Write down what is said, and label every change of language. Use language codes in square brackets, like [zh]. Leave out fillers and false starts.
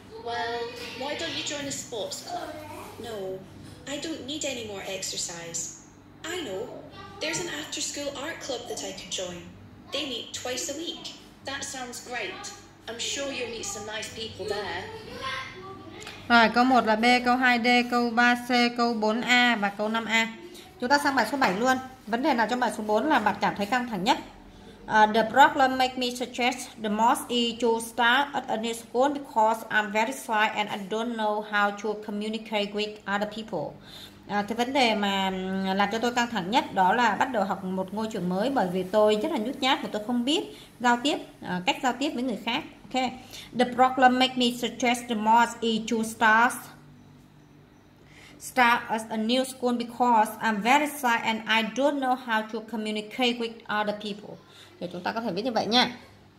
[en] Well, why don't you join a sports club? No, I don't need any more exercise. I know. There's an after-school art club that I could join. They meet twice a week. That sounds great. I'm sure you'll meet some nice people there. [vi] Rồi, câu 1 là B, câu 2 D, câu 3 C, câu 4 A và câu 5 A. Chúng ta sang bài số 7 luôn. Vấn đề nào trong bài số 4 là bạn cảm thấy căng thẳng nhất? [en] The problem make me stress the most is to start at a new school because I'm very shy and I don't know how to communicate with other people. [vi] Cái vấn đề mà làm cho tôi căng thẳng nhất đó là bắt đầu học một ngôi trường mới bởi vì tôi rất là nhút nhát và tôi không biết giao tiếp, cách giao tiếp với người khác. [en] Okay. The problem make me stress the most is to start as a new school because I'm very shy and I don't know how to communicate with other people. [vi] Thì chúng ta có thể viết như vậy nha.